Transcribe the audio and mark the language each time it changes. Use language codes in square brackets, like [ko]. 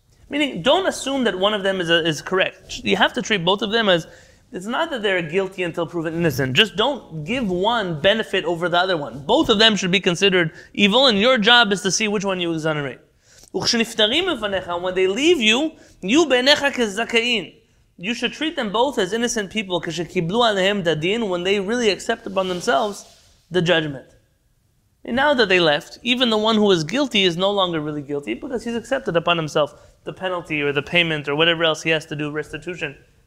[en] Meaning, don't assume that one of them is correct. You have to treat both of them as, it's not that they're guilty until proven innocent. Just don't give one benefit over the other one. Both of them should be considered evil, and your job is to see which one you exonerate. [he] וכשנפטרים מפניך, [en] when they leave you, [he] יהיו בעיניך כזכאין. [en] You should treat them both as innocent people, [he] כשקיבלו עליהם דדין, [en] when they really accept upon themselves the judgment. And now that they left, even the one who is guilty is no longer really guilty because he's accepted upon himself the penalty or the payment or whatever else he has to do, restitution.